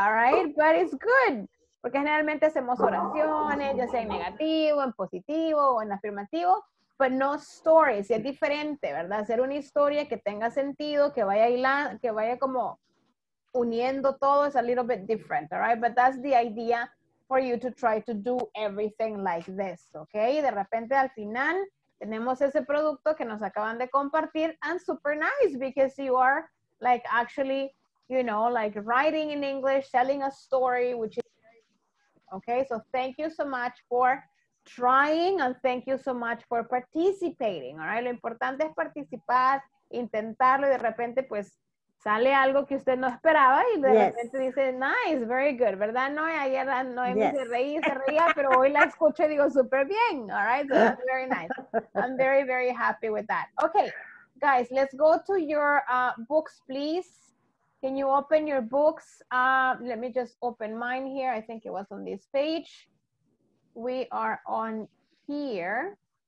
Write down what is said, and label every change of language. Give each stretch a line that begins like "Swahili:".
Spanish: All right.
English: But it's good.
Spanish: Porque generalmente hacemos oraciones, ya sea en negativo, en positivo o en afirmativo,
English: but no stories.
Spanish: Y es diferente, ¿verdad? Hacer una historia que tenga sentido, que vaya hilando, que vaya como uniendo todo es
English: a little bit different. All right. But that's the idea. For you to try to do everything like this, okay?
Spanish: De repente al final tenemos ese producto que nos acaban de compartir
English: and super nice because you are like actually, you know, like writing in English, telling a story, which is very good. Okay, so thank you so much for trying and thank you so much for participating, all right?
Spanish: Lo importante es participar, intentarlo y de repente pues sale algo que usted no esperaba y de repente dice,
English: nice, very good,
Spanish: ¿verdad, Noé? Ayer Noé se reía, pero hoy la escucho y digo, súper bien,
English: all right? So that's very nice. I'm very, very happy with that. Okay, guys, let's go to your books, please. Can you open your books? Let me just open mine here. I think it was on this page. We are on here.